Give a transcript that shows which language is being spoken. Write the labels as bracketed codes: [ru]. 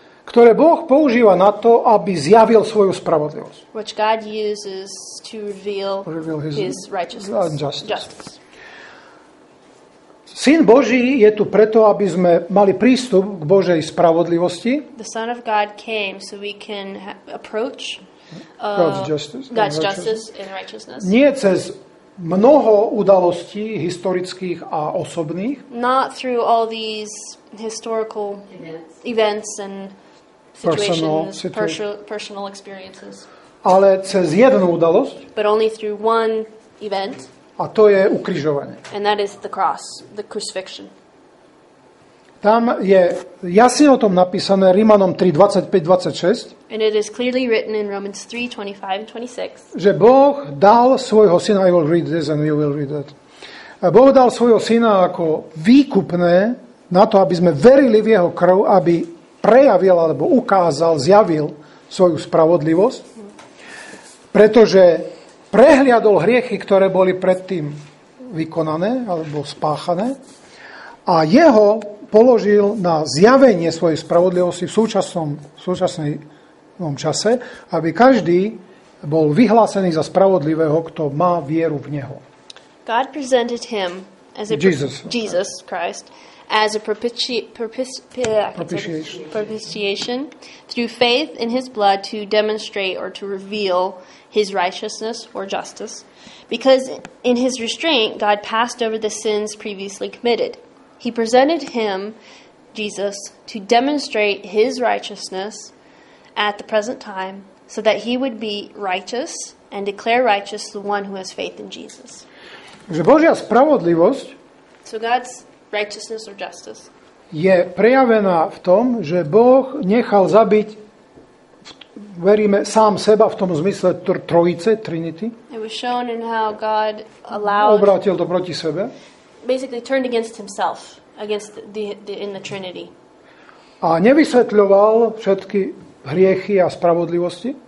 [sk] Ktoré Boh používa na to, aby zjavil svoju spravodlivosť. [en] Which God uses to reveal his righteousness. [sk] Justice. Syn Boží je tu preto, aby sme mali prístup k Božej spravodlivosti. [en] The Son of God came so we can approach God's justice and righteousness. [sk] Nie cez mnoho udalostí historických a osobných. [en] Not through all these historical events and personal experiences. [sk] Ale cez jednu udalosť. [en] But only through one event. [sk] A to je ukrižovanie. [en] And that is the cross, the crucifixion. [sk] Tam je jasne o tom napísané Rímanom 3:25-26. [en] And it is clearly written in Romans 3:25-26. [sk] Že Boh dal svojho syna, [en] I will read this and you will read that. [sk] Boh dal svojho syna ako výkupné na to, aby sme verili v jeho krv, aby prejavil alebo ukázal, zjavil svoju spravodlivosť, pretože prehliadol hriechy, ktoré boli predtým vykonané alebo spáchané a jeho položil na zjavenie svojej spravodlivosti v súčasnom čase, aby každý bol vyhlásený za spravodlivého, kto má vieru v neho. [en] God presented him as Jesus Christ as a propitiation through faith in his blood to demonstrate or to reveal his righteousness or justice, because in his restraint God passed over the sins previously committed. He presented him, Jesus, to demonstrate his righteousness at the present time so that he would be righteous and declare righteous the one who has faith in Jesus. [sk] Že Božia spravodlivosť, [en] so God's righteousness or justice, [sk] je prejavená v tom, že Boh nechal zabiť, veríme, sám seba v tom zmysle trojice, Trinity. [en] It was shown in how God allowed, [sk] obrátil to proti sebe. [en] Basically turned against himself, against the in the Trinity. [sk] A nevysvetľoval všetky hriechy a spravodlivosti.